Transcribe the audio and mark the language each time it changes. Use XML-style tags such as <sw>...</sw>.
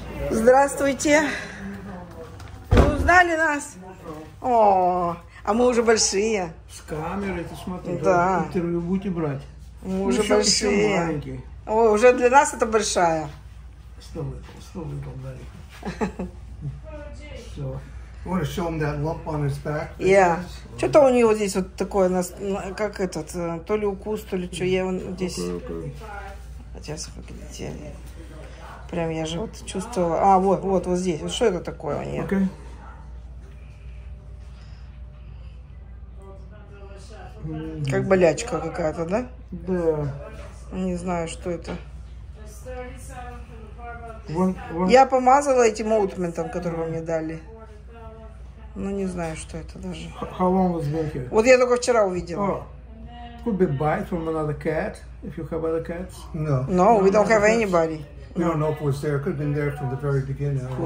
<ru>Здравствуйте. Узнали нас? О, а мы уже большие. С камеры ты смотри, да. Интервью будете брать. Мы уже большие. Еще маленькие. О, уже для нас это большая. Стол дали.</ru> <en>So, wanna show him that lump on his back? Yeah.</en> <ru>Что-то у него здесь вот такое, как этот, то ли укус, то ли что, я вот здесь.</ru> <en>Okay.</en> <ru>Прям я же вот чувствовала. А, вот здесь. Что это такое у нее?</ru> <en>Okay.</en> <ru>Как болячка какая-то, да? Да. Не знаю, что это. Я помазала этим оутментом, который вы мне дали. Ну, не знаю, что это даже.</ru> <en>How long was that here?</en> <ru>Вот я только вчера увидела. Oh.</ru> <en>could be bite from another cat, if you have other cats. No, we don't have cats. Anybody. We don't know if it was there. It could have been there from the very beginning.</en>